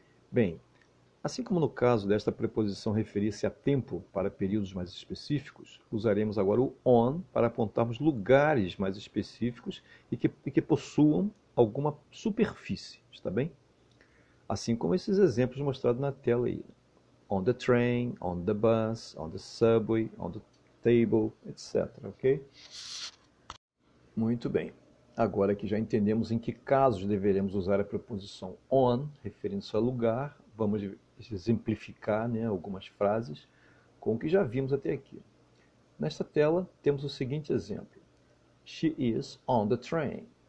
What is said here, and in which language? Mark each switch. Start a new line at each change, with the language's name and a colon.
Portuguese: Bem, assim como no caso desta preposição referir-se a tempo para períodos mais específicos, usaremos agora o on para apontarmos lugares mais específicos e que possuam alguma superfície, está bem? Assim como esses exemplos mostrados na tela aí.
English: On the train, on the bus, on the subway, on the table, etc, ok?
Portuguese: Muito bem. Agora que já entendemos em que casos deveremos usar a preposição on, referindo-se a lugar, vamos exemplificar, né, algumas frases com o que já vimos até aqui. Nesta tela, temos o seguinte exemplo.
English: She is on the train.